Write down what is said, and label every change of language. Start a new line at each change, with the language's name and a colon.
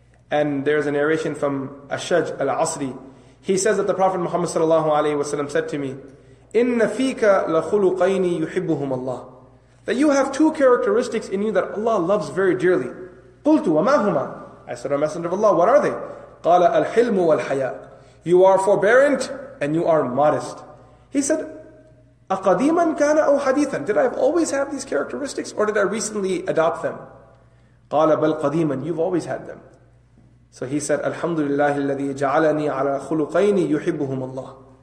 English: And there's a narration from Ashaj al-Asri. He says that the Prophet Muhammad sallallahu alaihi wasallam said to me,
Arabic: إِنَّ فِيكَ لَخُلُقَيْنِ يُحِبُّهُمَ اللَّهُ.
English: That you have two characteristics in you that Allah loves very dearly.
Arabic: قُلْتُ وَمَا هُمَا.
English: I said, O Messenger of Allah, what are they?
Arabic: قَالَ الْحِلْمُ وَالْحَيَاءُ.
English: You are forbearant and you are modest. He said,
Arabic: أَقَدِيمًا كَانَ أَوْ حَدِيثًا.
English: Did I always have these characteristics or did I recently adopt them?
Arabic: قَالَ بَلْ قَدِيمًا.
English: You've always had them. So he said,
Arabic: الْحَمْدُ لِلَّهِ الَّذِي جَعَلَنِي عَلَى خُلُقَيْنِ يُحِبُّهُمَ اللَّهُ.